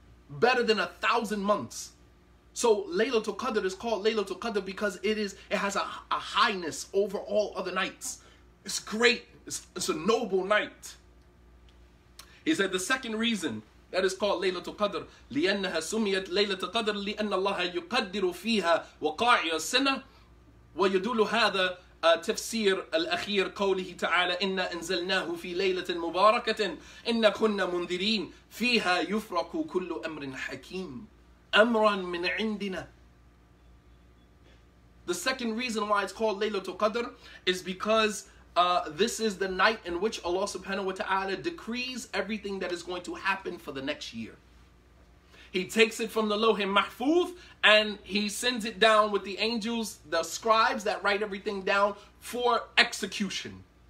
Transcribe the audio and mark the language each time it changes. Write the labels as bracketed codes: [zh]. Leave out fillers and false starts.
[en] Better than 1,000 months. So Laylatul Qadr is called Laylatul Qadr because it has a highness over all other nights. It's great. It's a noble night. He said the second reason that is called Laylatul Qadr, [ar] لِأَنَّهَا سُمِيَتْ لَيْلَةُ قَدْرِ لِأَنَّ اللَّهَ يُقَدِّرُ فِيهَا وَقَاعِيَ السَّنَةِ وَيُدُولُ هَذَا تَفْسِيرُ الْأَخِيرِ قَوْلِهِ تَعَالَى إِنَّا أَنزَلْنَاهُ فِي لَيْلَةٍ مُبَارَكَةٍ إِنَّا كُنَّا مُنذِرِينَ فِيهَا يُفْرَقُ كُلُّ أَمْرٍ حَكِيمٍ أَمْرًا مِنْ عِنْدِنَا. [en] The second reason why it's called Laylatul Qadr is because this is the night in which Allah subhanahu wa ta'ala decrees everything that is going to happen for the next year. He takes it from the Lohim Mahfuz and he sends it down with the angels, the scribes that write everything down for execution.